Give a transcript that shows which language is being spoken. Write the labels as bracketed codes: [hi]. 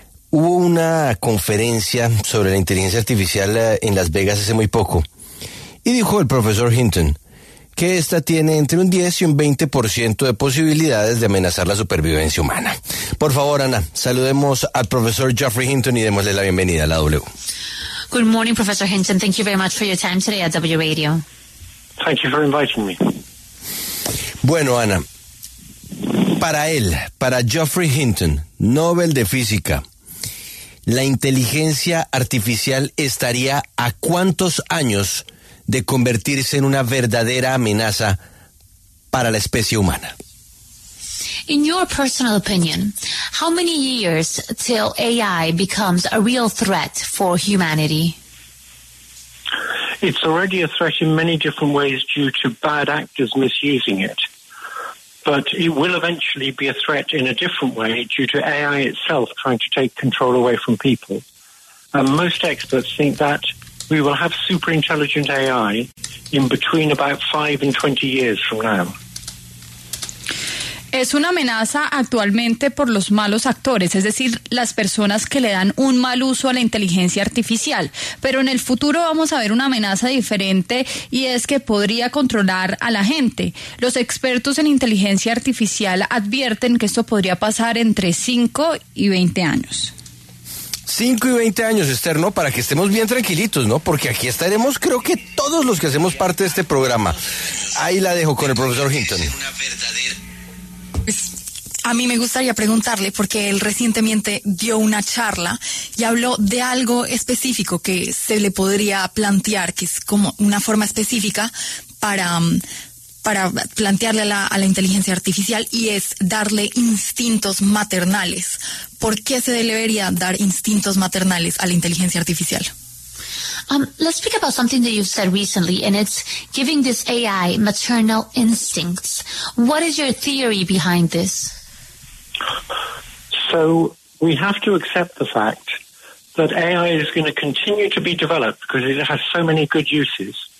[es] Hubo una conferencia sobre la inteligencia artificial en Las Vegas hace muy poco y dijo el profesor Hinton que esta tiene entre un 10 y un 20% de posibilidades de amenazar la supervivencia humana. Por favor, Ana, saludemos al profesor Geoffrey Hinton y démosle la bienvenida a la W. [en] Good morning, Professor Hinton. Thank you very much for your time today at W Radio. Thank you for inviting me. [es] Bueno, Ana, para él, para Geoffrey Hinton, Nobel de Física, ¿la inteligencia artificial estaría a cuántos años de convertirse en una verdadera amenaza para la especie humana? [en] In your personal opinion, how many years till AI becomes a real threat for humanity? It's already a threat in many different ways due to bad actors misusing it. But it will eventually be a threat in a different way due to AI itself trying to take control away from people. And most experts think that we will have super intelligent AI in between about 5 and 20 years from now. [es] Es una amenaza actualmente por los malos actores, es decir, las personas que le dan un mal uso a la inteligencia artificial. Pero en el futuro vamos a ver una amenaza diferente y es que podría controlar a la gente. Los expertos en inteligencia artificial advierten que esto podría pasar entre 5 y 20 años. 5 y 20 años, Esther, ¿no? Para que estemos bien tranquilitos, ¿no? Porque aquí estaremos, creo que todos los que hacemos parte de este programa. Ahí la dejo con el profesor Hinton. A mí me gustaría preguntarle, porque él recientemente dio una charla y habló de algo específico que se le podría plantear, que es como una forma específica para plantearle a la inteligencia artificial, y es darle instintos maternales. ¿Por qué se debería dar instintos maternales a la inteligencia artificial? [en] Let's speak about something that you've said recently, and it's giving this AI maternal instincts. What is your theory behind this? So we have to accept the fact that AI is going to continue to be developed because it has so many good uses.